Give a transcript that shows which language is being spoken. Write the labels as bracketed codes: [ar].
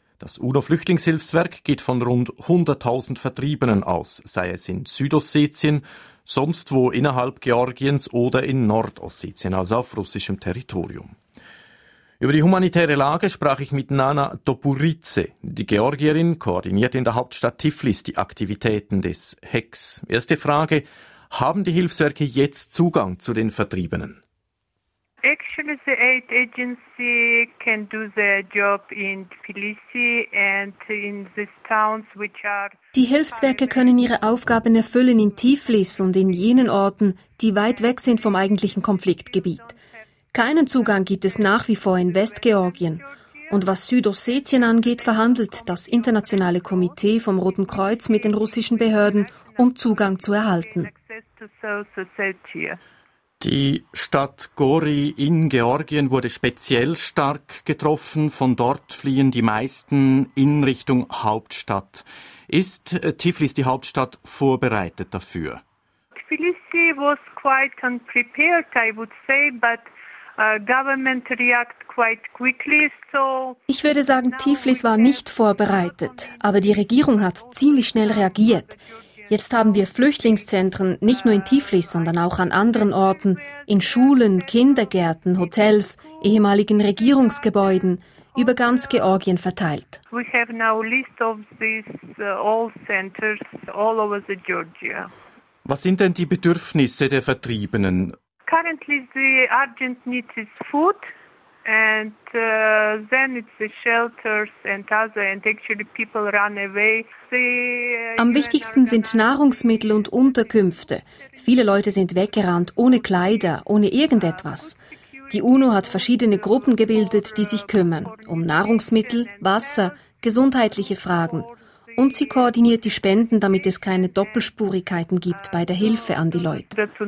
[de] Das UNO-Flüchtlingshilfswerk geht von rund 100.000 Vertriebenen aus, sei es in Südossetien, sonst wo innerhalb Georgiens oder in Nordossetien, also auf russischem Territorium. Über die humanitäre Lage sprach ich mit Nana Doburitze. Die Georgierin koordiniert in der Hauptstadt Tiflis die Aktivitäten des HEX. Erste Frage: Haben die Hilfswerke jetzt Zugang zu den Vertriebenen? [en] Actually, the aid agency can do their job in Tbilisi and in these towns which are. [de] Die Hilfswerke können ihre Aufgaben erfüllen in Tiflis und in jenen Orten, die weit weg sind vom eigentlichen Konfliktgebiet. Keinen Zugang gibt es nach wie vor in Westgeorgien. Und was Südossetien angeht, verhandelt das Internationale Komitee vom Roten Kreuz mit den russischen Behörden, um Zugang zu erhalten. Die Stadt Gori in Georgien wurde speziell stark getroffen. Von dort fliehen die meisten in Richtung Hauptstadt. Ist Tiflis, die Hauptstadt, vorbereitet dafür? [en] Tbilisi was quite unprepared, I would say, but government react quite quickly, so. [de] Ich würde sagen, Tiflis war nicht vorbereitet, aber die Regierung hat ziemlich schnell reagiert. Jetzt haben wir Flüchtlingszentren, nicht nur in Tiflis, sondern auch an anderen Orten, in Schulen, Kindergärten, Hotels, ehemaligen Regierungsgebäuden, über ganz Georgien verteilt. [en] We have now list of these all centers all over the Georgia. [de] Was sind denn die Bedürfnisse der Vertriebenen? [en] Currently the urgent need is food and then it's the shelters and other and actually people run away. [de] Am wichtigsten sind Nahrungsmittel und Unterkünfte. Viele Leute sind weggerannt, ohne Kleider, ohne irgendetwas. Die UNO hat verschiedene Gruppen gebildet, die sich kümmern um Nahrungsmittel, Wasser, gesundheitliche Fragen. Und sie koordiniert die Spenden, damit es keine Doppelspurigkeiten gibt bei der Hilfe an die Leute.